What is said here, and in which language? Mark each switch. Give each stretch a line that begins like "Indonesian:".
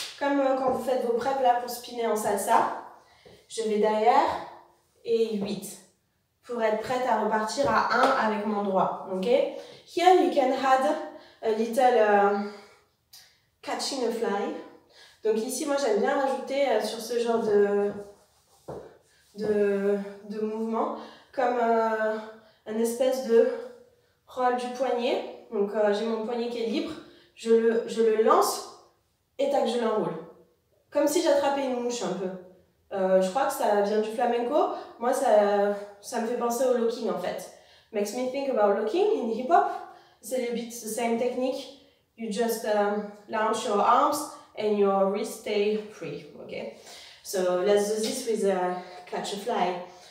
French: Comme quand vous faites vos preps là pour spinner en salsa. Je vais derrière et 8. Pour être prête à repartir à 1 avec mon droit. Ok?
English: Here you can add a little catching a fly.
French: Donc ici, moi j'aime bien rajouter sur ce genre de mouvement comme un espèce de roll du poignet. Donc j'ai mon poignet qui est libre, je le lance et tac, je l'enroule comme si j'attrapais une mouche un peu. Je crois que ça vient du flamenco. Moi ça me fait penser au locking, en fait.
English: Makes me think about locking in hip hop.
French: C'est le bit,
English: the same technique. You just launch your arms and your wrist stay free. Okay, so let's do this with catch a fly.